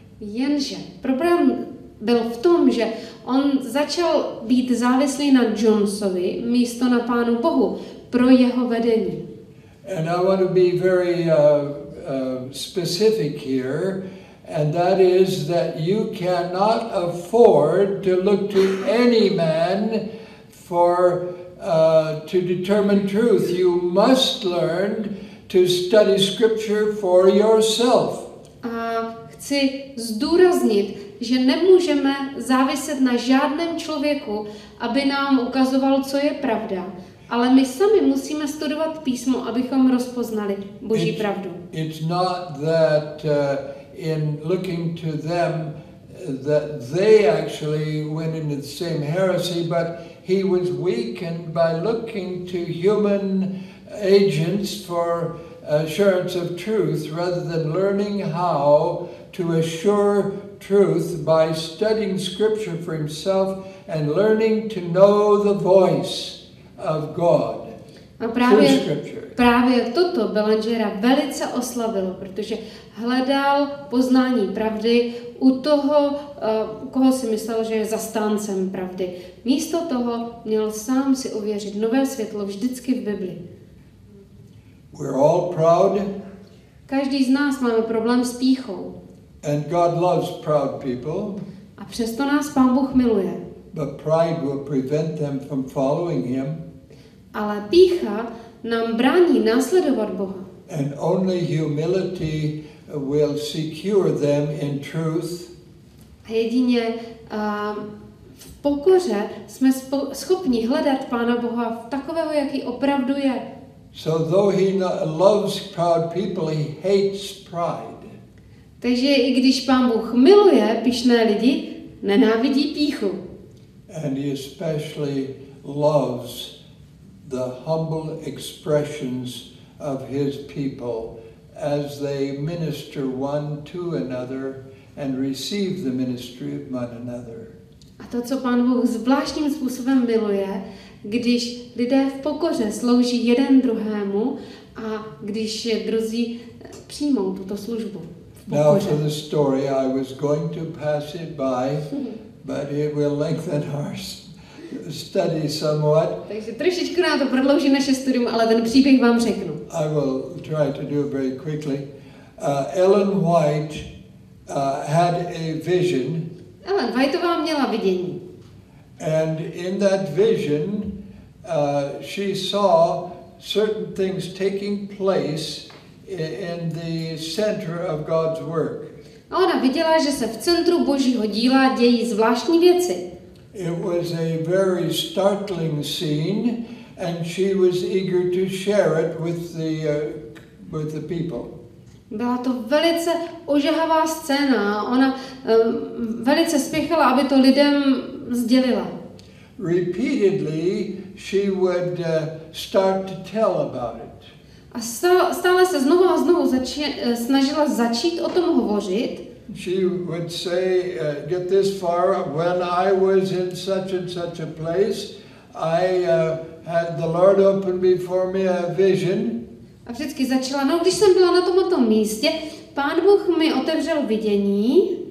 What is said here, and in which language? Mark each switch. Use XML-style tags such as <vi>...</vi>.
<cs>Jenže problém byl v tom, že on začal být závislý na Jonesovi místo na Pánu Bohu pro jeho vedení.</cs> <en>And I want to be very specific here, and that is that you cannot afford to look to any man for to determine truth. You must learn to study scripture for yourself.</en> <cs>A chci zdůraznit, že nemůžeme záviset na žádném člověku, aby nám ukazoval, co je pravda. Ale my sami musíme studovat písmo, abychom rozpoznali Boží pravdu.</cs> <en>It's not that in looking to them that they actually went into the same heresy, but he was weakened by looking to human agents for assurance of truth rather than learning how to assure truth by studying scripture for himself and learning to know the voice of God.</en> <cs>A právě toto Belangera velice oslavilo, protože hledal poznání pravdy u toho, koho si myslel, že je zastáncem pravdy. Místo toho měl sám si uvěřit nové světlo vždycky v Bibli.</cs> <en>We're all proud.</en> <cs>Každý z nás máme problém s pýchou.</cs> <en>And God loves proud people.</en> <cs>A přesto nás Pán Bůh miluje.</cs> <en>But pride will prevent them from following him.</en> <cs>Ale pýcha nám brání následovat Boha.</cs> <en>And only humility will secure them in truth.</en> <cs>A jedině v pokoře jsme schopni hledat Pána Boha v takového, jaký opravdu je.</cs> <en>So though he loves proud people, he hates pride.</en> <cs>Takže i když Pán Bůh miluje pyšné lidi, nenávidí pýchu.</cs> <en>And he especially loves the humble expressions of his people as they minister one to another and receive the ministry of one another.</en> <cs>A to, co Pán Bůh zvláštním způsobem miluje, když lidé v pokoře slouží jeden druhému a když druzí přijmou tuto službu v pokoře.</cs> <en>Now for the story, I was going to pass it by, but it will lengthen our study somewhat.</en> <cs>Takže trošičku nám to prodlouží naše studium, ale ten příběh vám řeknu.</cs> <en>I will try to do it very quickly. Ellen White had a vision.</en> <cs>Ellen Whiteová měla vidění.</cs> <en>And in that vision, she saw certain things taking place in the center of God's work.</en> <cs>A ona viděla, že se v centru Božího díla dějí zvláštní věci.</cs> <en>It was a very startling scene, and she was eager to share it with the people.</en> <cs>Byla to velice ožehavá scéna. Ona velice spěchala, aby to lidem sdělila.</cs> <en>Repeatedly, she would start to tell about it.</en> <cs>A stále se znovu a znovu snažila začít o tom hovořit.</cs> <en>She would say, get this far, when I was in such and such a place, I had the Lord open before me a vision.</en> <cs>A vždycky začala, no když jsem byla na tomto místě, Pán Bůh mi otevřel vidění.</cs>